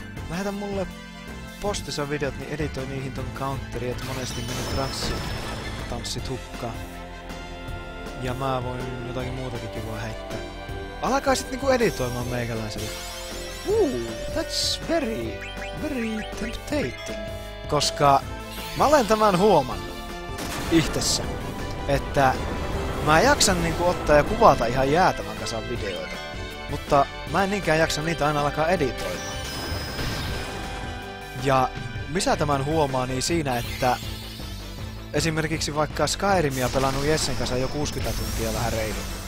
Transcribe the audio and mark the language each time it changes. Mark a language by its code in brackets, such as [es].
[fi] Lähetä mulle postissa videot, niin editoi niihin ton counterin, et monesti meni transsi. Tanssit hukkaa. Ja mä voin jotakin muutakin kivoa heittää. Alkaa sit niinku editoimaan meikäläiselle. [en] That's very, very tempting. [fi] Koska mä olen tämän huomannut itsessä, että mä jaksan niinku ottaa ja kuvata ihan jäätävän kasan videoita. Mutta mä en niinkään jaksa niitä aina alkaa editoimaan. Ja missä tämän huomaa, niin siinä, että esimerkiksi vaikka Skyrimia pelannut Jessen kanssa jo 60 tuntia vähän reilu.